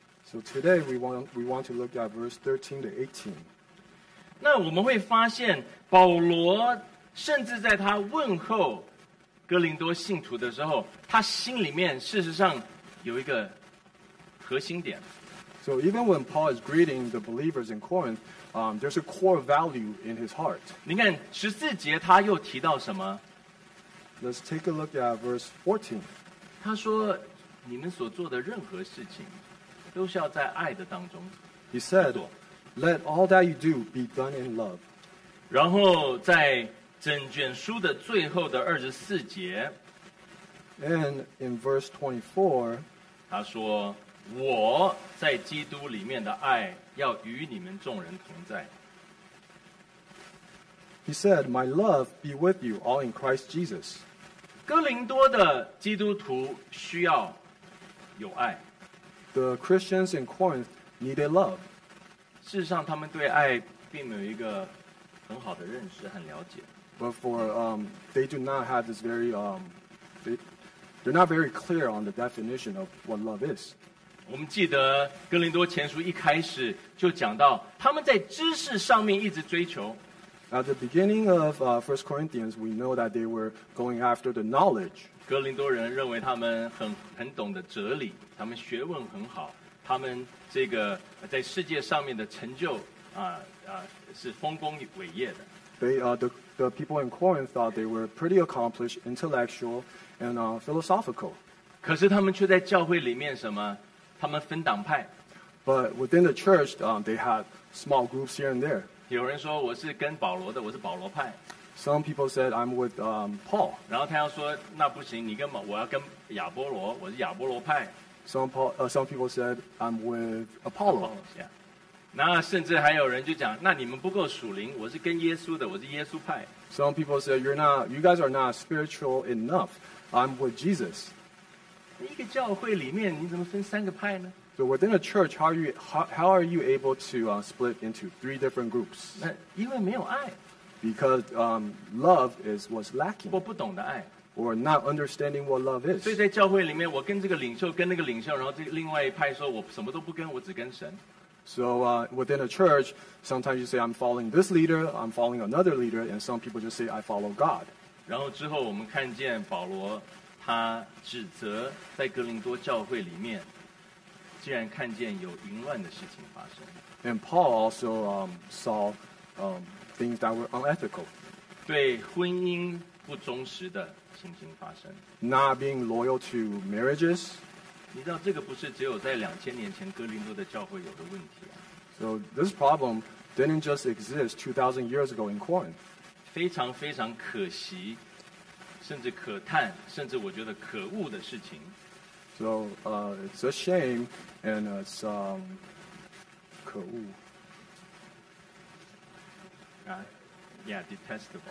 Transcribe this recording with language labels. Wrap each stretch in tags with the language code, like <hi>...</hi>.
<en>So today we want to look at verse 13 to 18.</en> <zh>那我们会发现保罗甚至在他问候哥林多信徒的时候，他心里面事实上有一个核心点。</zh> <en>So even when Paul is greeting the believers in Corinth, there's a core value in his heart.</en> <zh>你看十四节他又提到什么？</zh> <en>Let's take a look at verse 14.</en> <zh>他说你们所做的任何事情都是要在爱的当中。</zh> <en>He said, let all that you do be done in love.</en> <zh>然后在整卷书的最后的二十四节，</zh> <en>and in verse 24,</en> <zh>他说我在基督里面的爱要与你们众人同在。</zh> <en>He said, my love be with you all in Christ Jesus.</en> <zh>哥林多的基督徒需要有爱。</zh> <en>The Christians in Corinth needed love.</en> <zh>事实上他们对爱并没有一个很好的认识和了解。</zh> <en>But for, they do not have this very, they're not very clear on the definition of what love is.</en> <zh>我们记得哥林多前书一开始就讲到他们在知识上面一直追求。</zh> <en>At the beginning of First Corinthians, we know that they were going after the knowledge.</en> <zh>哥林多人认为他们很懂得哲理，他们学问很好，他们这个在世界上面的成就是丰功伟业的。</zh> <en>The people in Corinth thought they were pretty accomplished, intellectual, and philosophical.</en> <zh>可是他们却在教会里面什么？他们分党派。</zh> <en>But within the church, they had small groups here and there.</en> <zh>有人说我是跟保罗的，我是保罗派。</zh> <en>Some people said I'm with Paul.</en> <zh>然后他要说那不行，你跟我要跟亚波罗，我是亚波罗派。</zh> <en>Some people said I'm with Apollo. Apollos, yeah.</en> <zh>那甚至还有人就讲，那你们不够属灵，我是跟耶稣的，我是耶稣派。</zh> <en>Some people say you guys are not spiritual enough. I'm with Jesus.</en> <zh>一个教会里面，你怎么分三个派呢</zh> <en>？So within a church, how are you able to split into three different groups?</en> <zh>那因为没有爱。</zh> <en>Because love is what's lacking.</en> <zh>我不懂得爱。</zh> <en>Or not understanding what love is.</en> <zh>所以在教会里面，我跟这个领袖，跟那个领袖，然后这另外一派说，我什么都不跟，我只跟神。</zh> <en>So within a church, sometimes you say, I'm following this leader, I'm following another leader, and some people just say, I follow God.</en> <zh>然后之后我们看见保罗他指责在哥林多教会里面竟然看见有淫乱的事情发生。</zh> <en>And Paul also saw things that were unethical.</en> <zh>对婚姻不忠实的情形发生。</zh> <en>Not being loyal to marriages.</en> <zh>你知道这个不是只有在两千年前哥林多的教会有的问题啊。</zh> <en>So this problem didn't just exist 2,000 years ago in Corinth.</en> <zh>非常非常可惜，甚至可叹，甚至我觉得可恶的事情。</zh> <en>So it's a shame and it's</en> <zh>可恶。</zh> <en>Yeah, detestable.</en>